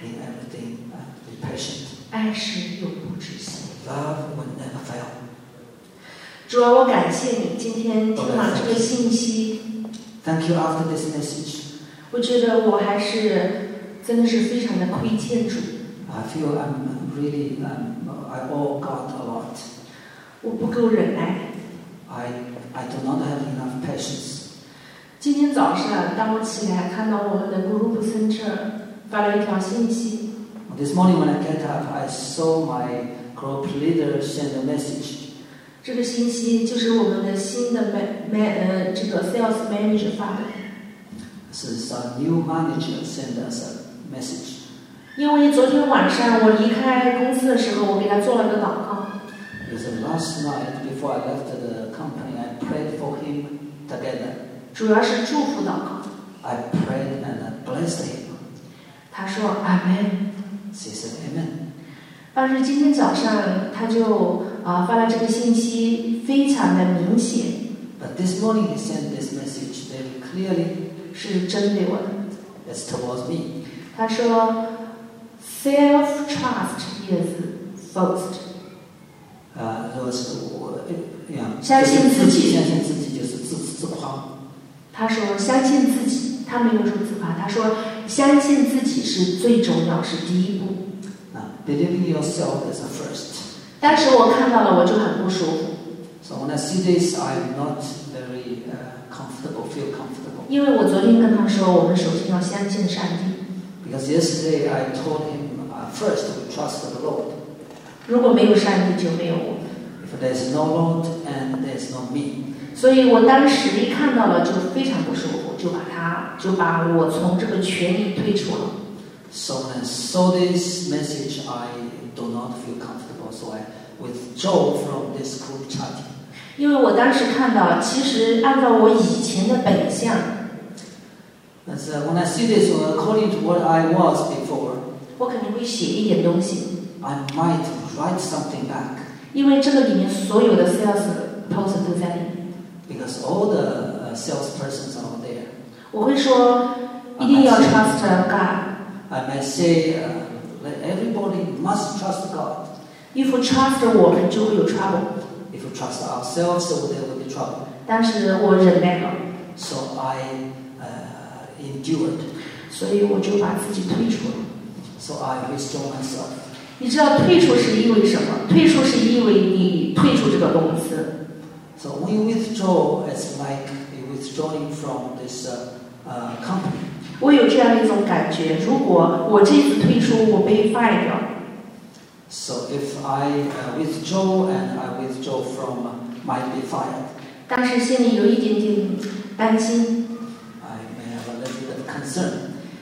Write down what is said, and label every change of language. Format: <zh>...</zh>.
<en>In everything be patient.</en> <zh>爱是永不止息。</zh> <en>Love will never fail.</en> <zh>主啊，我感谢你今天听了这个信息。</zh> <en>Thank you after this message.</en> <zh>我觉得我还是真的是非常的亏欠主。</zh> <en>I feel I'm really I owe God a lot.</en> <zh>我不够忍耐。</zh> <en>I do not have enough patience.</en> <zh>今天早上当我起来看到我们的 Group Center 发了一条信息。</zh> <en>This morning when I get up, I saw my group leader send a message.</en> <zh>这个信息就是我们的新的这个 sales manager 发的。</zh> <en>So some new manager send us a message.</en> <zh>因为昨天晚上我离开公司的时候，我给他做了个祷告。</zh> <en>Because last night before I left the company, I prayed for him together.</en> <zh>主要是祝福祷告。</zh> <en>I prayed and I blessed him.</en> <zh>他说 Amen.</zh> <en>She said, Amen.</en> <zh>但是今天早上他就发了这个信息，非常的明显。</zh> <en>But this morning he sent this message very clearly.</en> <zh>是针对我</zh> <en>的。It's towards me.</en> <zh>他说</zh> <en>，self-trust is first.</en> <zh>就是我相信自己，相信自己就是自夸。他说相信自己，他没有说自夸，他说。相信自己是最重要，是第一步。</zh> <en>Believing yourself is the first.</en> <zh>当时我看到了，我就很不舒服。</zh> <en>So when I see this, I'm not very comfortable, feel comfortable.</en> <zh>因为我昨天跟他说，我们首先要相信上帝。</zh> <en>Because yesterday I told him, first we trust the Lord.</en> <zh>如果没有上帝，就没有我。</zh> <en>If there's no Lord and there's no me.</en> <zh>所以我当时一看到了，就非常不舒服。就把我从这个群里退出了。</zh> <en>So when I saw this message, I do not feel comfortable, so I withdrew from this group chat.</en> <zh>因为我当时看到，其实按照我以前的本相。</zh> <en>As when I see this, according to what I was before,</en> <zh>我肯定会写一点东西。</zh> <en>I might write something back.</en> <zh>因为这个里面所有的 sales post 都在里面。</zh> <en>Because all the sales persons are.</en> <zh>我会说一定要</zh> <en>trust God. I might say that everybody must trust God. If we trust</en> <zh>我们就会有</zh> <en>trouble. If we trust ourselves, there will be trouble.</en> <zh>但是我忍耐了。</zh> <en>So I endured.</en> <zh>所以我就把自己退出了。</zh> <en>So I withdrew myself.</en> <zh>你知道退出是意味什么？退出是意味你退出这个公司。</zh> <en>So when you withdraw, it's like you withdrawing from this company.</en> <zh>我有这样一种感觉，如果我这次退出我被 fire 掉。</zh> <en>So if I withdraw and I withdraw from might be fired.</en> <zh>但是心里有一点点担心。</zh> <en>I may have a little bit of concern.</en>